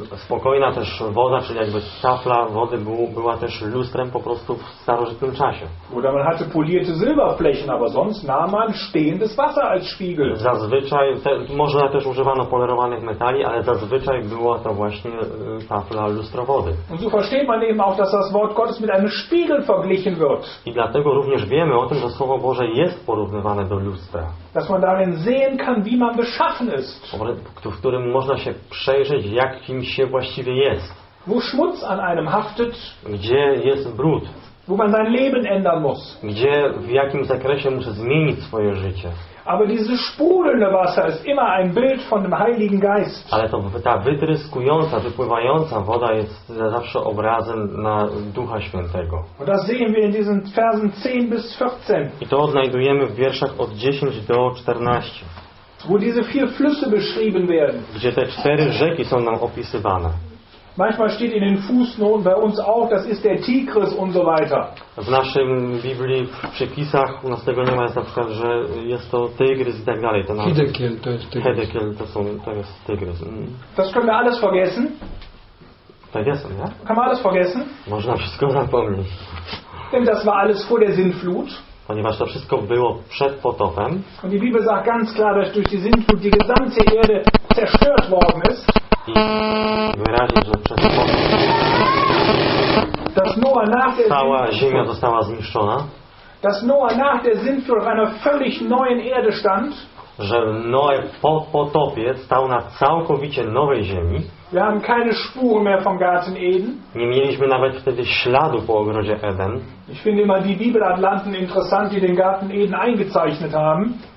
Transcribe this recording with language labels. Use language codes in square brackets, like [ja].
[pl] spokojna też woda, czyli jakby tafla wody była też lustrem po prostu w starożytnym czasie. [de] Oder man hatte polierte Silberflächen, aber sonst nahm man stehendes Wasser als Spiegel. [pl] Zazwyczaj, można też używano polerowanych metali, ale zazwyczaj była to właśnie tafla lustrowody. [de] Und so versteht man eben auch, dass das Wort Gottes mit einem Spiegel verglichen wird. [pl] I dlatego również wiemy o tym, że Słowo Boże jest porównywane do lustra. [de] Dass man darin sehen kann, wie man beschaffen ist. [pl] W którym można się przejrzeć, jak kim się właściwie jest. [de] Wo Schmutz an einem haftet. [pl] Gdzie jest brud. [de] Wo man sein Leben ändern muss. [pl] Gdzie, w jakim zakresie muszę zmienić swoje życie. [de] Aber dieses sprudelnde Wasser ist immer ein Bild von dem Heiligen Geist. [pl] Ale ta wytryskująca, wypływająca woda jest zawsze obrazem na Ducha Świętego. [de] Und das sehen wir in diesen Versen 10 bis 14. [pl] I to znajdujemy w wierszach od 10 do 14. [de] Wo diese vier Flüsse beschrieben werden. [pl] Gdzie te cztery rzeki są nam opisywane. [de] Manchmal steht in den Fußnoten bei uns auch, das ist der Tigris und so weiter. [pl] W naszym Biblii, w przepisach, u nas tego nie ma, jest na przykład, że jest to Tygrys i tak dalej. Hidekiel, to jest Tygrys. Hidekiel, to jest Tygrys. [de] Das können wir alles vergessen. Vergessen, ja? Kann man alles vergessen? [pl] Można wszystko zapomnieć. [de] Denn das war alles vor der Sintflut. [pl] Ponieważ to wszystko było przed potopem. [de] Und die Bibel sagt ganz klar, dass durch die Sintflut die gesamte Erde zerstört worden ist. [pl] I wyraźnie, że przez potop. [de] Dass Noah nach der [pl] cała ziemia została zniszczona. [de] Dass Noah nach der Sintflut auf einer völlig neuen Erde stand. [pl] Że Noe po potopie stał na całkowicie nowej ziemi. [de] Wir haben keine Spuren mehr vom Garten Eden. [pl] Nie mieliśmy nawet wtedy śladu po ogrodzie Eden. [de] Ich finde immer die Bibelatlanten interessant, die den Garten Eden eingezeichnet haben.